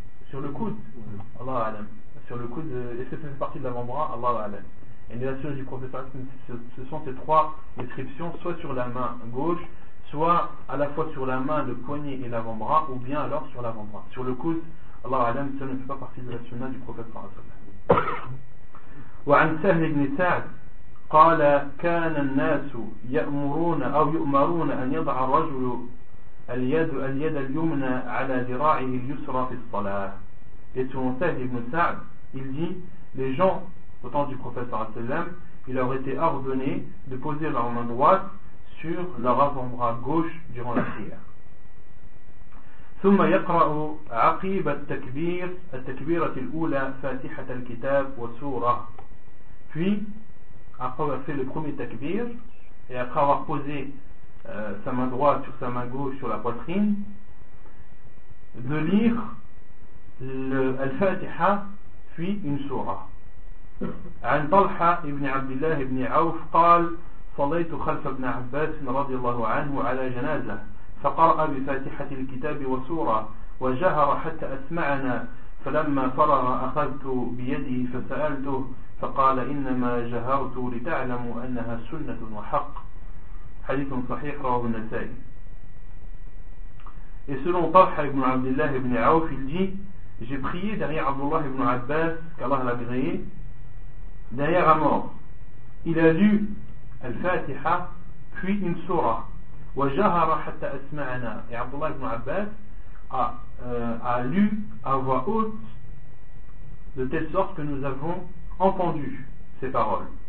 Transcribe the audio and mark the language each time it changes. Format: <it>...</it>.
<fr>Sur le coude, Allah alam. Sur le coude, est-ce que ça fait partie de l'avant-bras, Allah alam. Et la sunnah du professeur, ce sont ces trois descriptions, soit sur la main gauche, soit à la fois sur la main, le poignet et l'avant-bras, ou bien alors sur l'avant-bras. Sur le coude, Allah alam, ça ne fait pas partie de la sunnah du prophète.</fr> <ar>وعن سهل بن سعد قال كان الناس يأمرون أو يؤمرون أن يضع الرجل اليد اليمنى على ذراعه اليسرى في الصلاة.</ar> <fr>Et selon Sahih ibn Sa'd, il dit, les gens, au temps du prophète sallam, il leur était ordonné de poser leur main droite sur leur avant-bras gauche durant la prière.</fr> <ar>ثم يقرأ عقيب التكبير التكبيرة الأولى فاتحة الكتاب وسورة.</ar> <fr>Puis, après avoir fait le premier takbir, et après avoir posé sa main droite sur sa main gauche sur la poitrine, de lire le Al-Fatiha, puis une surah.</fr> <ar>عن طلحة ابن عبد الله ابن عوف قال صليت خلف ابن عباس رضي الله عنه على جنازة فقرأ بفاتحة الكتاب وسورة وجهر حتى أسمعنا. فلما فرغ أخذت بيده فسألته فقال إنما جهرت لتعلم أنها سنة وحق. حديث صحيح رواه النسائي.</ar> <fr>Et selon Tarha ibn Abdullah ibn Awf, il dit: j'ai prié derrière Abdullah ibn Abbas, qu'Allah l'a agréé, derrière la mort. Il a lu Al-Fatiha, puis une surah.</fr> <ar>Wa jahara hatta asma'ana.</ar> <fr>Et Abdullah ibn Abbas a lu à voix haute, de telle sorte que nous avons entendu ses paroles.</fr>